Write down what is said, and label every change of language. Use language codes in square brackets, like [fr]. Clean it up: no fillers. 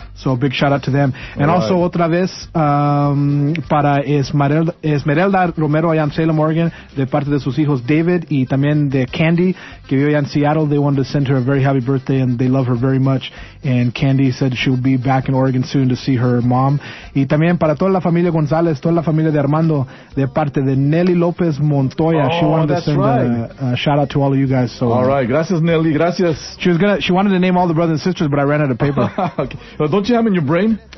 [en] So a big shout out to them. And all also, right, [es] otra vez, para Esmeralda Romero allá en Salem, Oregon, de parte de sus hijos David y también de Candy, que vive allá en Seattle. [en] They wanted to send her a very happy birthday, and they love her very much. And Candy said she'll be back in Oregon soon to see her mom. [es] Y también para toda la familia González, toda la familia de Armando, de parte de Nelly López Montoya. [en] Oh, she wanted to send a shout out to all of you guys. So, all right, [es] gracias Nelly, gracias. [en] She wanted to name all the brothers and sisters, but I ran out of paper. Okay. Well, don't you have them in your brain?